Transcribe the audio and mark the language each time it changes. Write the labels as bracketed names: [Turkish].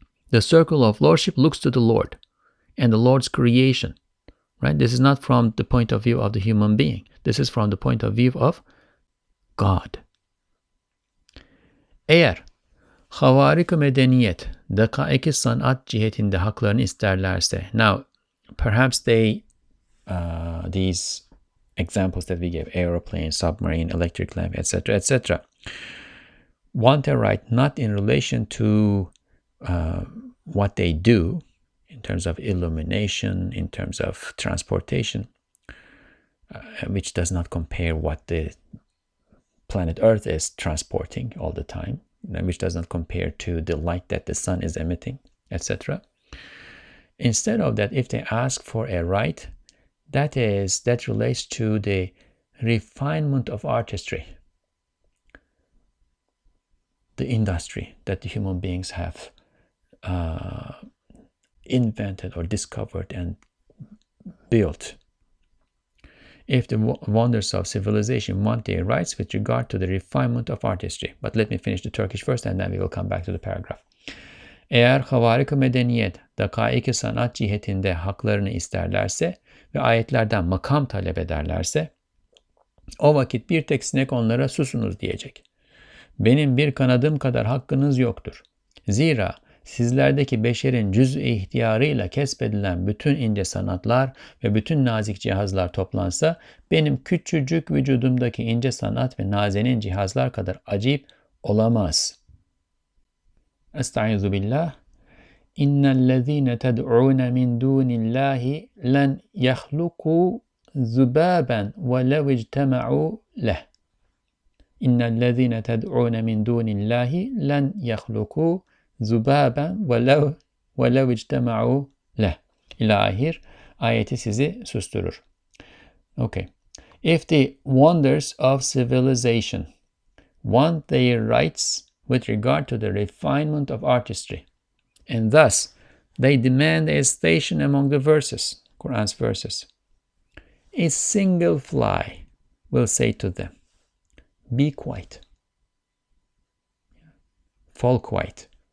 [English] The circle of lordship looks to the Lord and the Lord's creation, right? This is not from the point of view of the human being. This is from the point of view of God. [Turkish] Eğer havarik-ı medeniyet dakaik-ı sanat cihetinde haklarını isterlerse, [English] now, perhaps they... these examples that we gave, aeroplane, submarine, electric lamp, etc., etc., want a right not in relation to what they do in terms of illumination, in terms of transportation, which does not compare what the planet Earth is transporting all the time, which does not compare to the light that the sun is emitting, etc. Instead of that, if they ask for a right, that is, that relates to the refinement of artistry, the industry that the human beings have invented or discovered and built. If the wonders of civilization want their rights with regard to the refinement of artistry. But let me finish the Turkish first and then we will come back to the paragraph. [Turkish] Eğer havarik-ı medeniyet dakaik-ı sanat cihetinde haklarını isterlerse ve ayetlerden makam talep ederlerse, o vakit bir tek sinek onlara susunuz diyecek. Benim bir kanadım kadar hakkınız yoktur. Zira sizlerdeki beşerin cüz-i ihtiyarıyla kesbedilen bütün ince sanatlar ve bütün nazik cihazlar toplansa, benim küçücük vücudumdaki ince sanat ve nazenin cihazlar kadar acip olamaz. [Arabic] أستعيذ بالله إن الذين تدعون من دون الله لن يخلقوا ذبابا ولو اجتمعوا له إن الذين تدعون من دون الله لن يخلقوا ذبابا ولو اجتمعوا له إلى آخر آيتي [Turkish] sizi susturur. [English] Okay. If the wonders of civilization want their rights with regard to the refinement of artistry, and thus they demand a station among the verses, Quran's verses, a single fly will say to them, be quiet, fall quiet.